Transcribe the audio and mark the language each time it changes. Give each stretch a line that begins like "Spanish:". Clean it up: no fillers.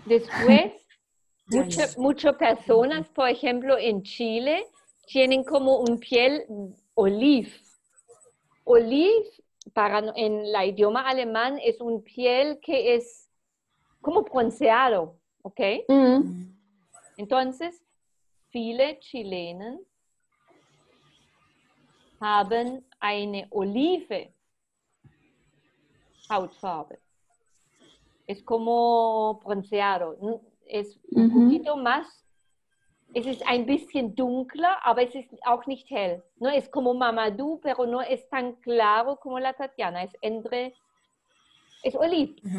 Spanish: Después, muchas personas, por ejemplo, en Chile, tienen como un piel olive. Olive, para, en la idioma alemán, es un piel que es como bronceado, ¿ok?
German: Entonces, viele chilenen haben eine olive Hautfarbe.
Spanish: Es como bronceado. Es un poquito más.
German: Es ist ein bisschen dunkler, aber es ist auch nicht hell.
Spanish: No es como Mamadou, pero no es tan claro como la Tatjana. Es entre... Es oliv.